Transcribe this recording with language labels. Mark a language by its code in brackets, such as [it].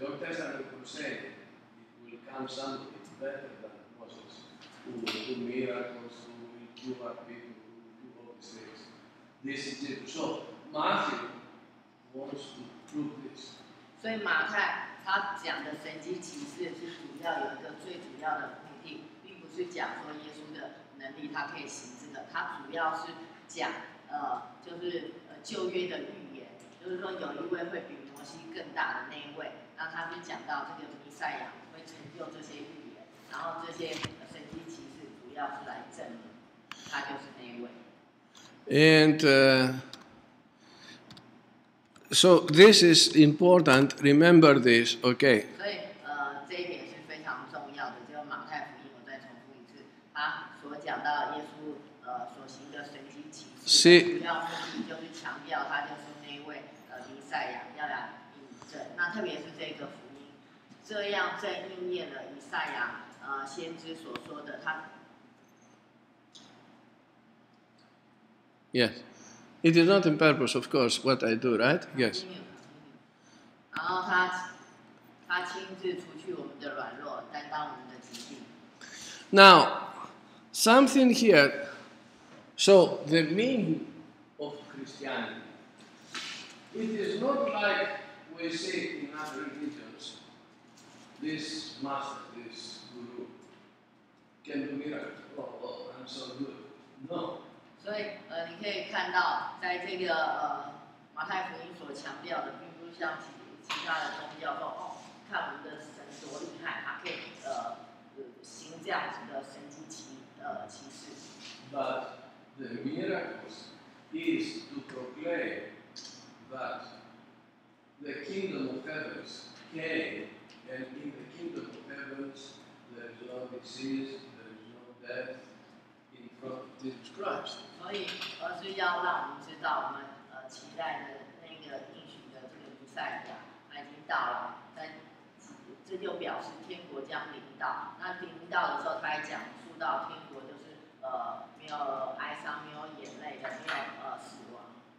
[en] The Old Testament would say it will come someday better than Moses, who will do miracles, who will cure people, who will do all these things. This is it. So. Matthew wants to prove this. [zh] 所以马太他讲的神迹奇事是主要有一个最主要的目的，并不是讲说耶稣的能力他可以行这个，他主要是讲就是旧约的预言，就是说有一位会比摩西更大的那一位，那他就讲到这个弥赛亚会成就这些预言，然后这些神迹奇事主要是来证明他就是那一位。 [en] And So this is important. Remember this, okay? [zh] 所以这一点是非常重要的。就马太福音，我再重复一次，他所讲到耶稣所行的神迹奇事，主要目的就是强调他就是那一位弥赛亚，要来引证。那特别是这个福音，这样正应验了弥赛亚先知所说的他。 [en] Yes. It is not in purpose, of course, what I do, right? Yes. [zh] 然后他亲自除去我们的软弱，担当我们的疾病。 [en] Now, something here. So the meaning of Christianity. It is not like we say in other religions. This master, this guru, can do miracles. Oh, oh, I'm so good. No. [zh] 所以你可以看到在这个马太福音所强调的并不是像其他的宗教说哦看我们的神多厉害他可以行这样子的神迹奇事。 [en] But the miracles is to proclaim that the kingdom of heavens came and in the kingdom of heavens there is no disease, there is no death. [zh] 所以，而是要让我们知道，我们期待的那个应许的这个弥赛亚，他已经到了。但这就表示天国将临到。那临到的时候，他还讲述到天国就是没有哀伤、没有眼泪的、没有死亡。